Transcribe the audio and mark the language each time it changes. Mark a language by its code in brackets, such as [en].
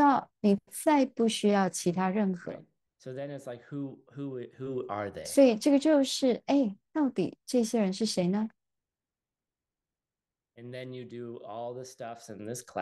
[zh] 要，你再不需要其他任何。 [en] Right? So then it's like who are they? [zh] 所以这个就是，哎，到底这些人是谁呢？ [en] And then you do all the stuffs in this